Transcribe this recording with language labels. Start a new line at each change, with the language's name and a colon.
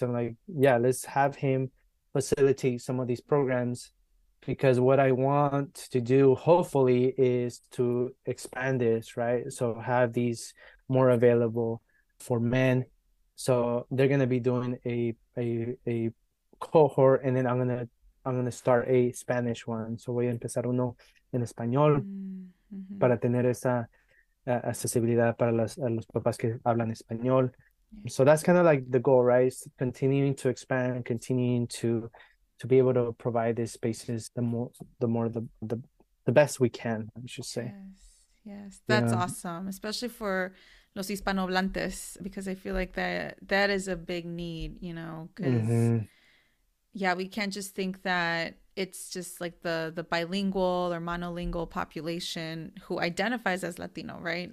English: So I'm like, yeah, let's have him facilitate some of these programs, because what I want to do hopefully is to expand this, right? So have these more available for men. So they're going to be doing a cohort, and then I'm going to start a Spanish one.
Spanish: So voy a empezar uno en español para tener esa accesibilidad para los papás que hablan español.
English: So that's kind of like the goal, right? It's continuing to expand, continuing to be able to provide these spaces the best we can, I should say. Yes, that's yeah. awesome, especially for
Spanish: los hispanohablantes,
English: because I feel like that is a big need, you know, because yeah, we can't just think that it's just like the bilingual or monolingual population who identifies as Latino, right?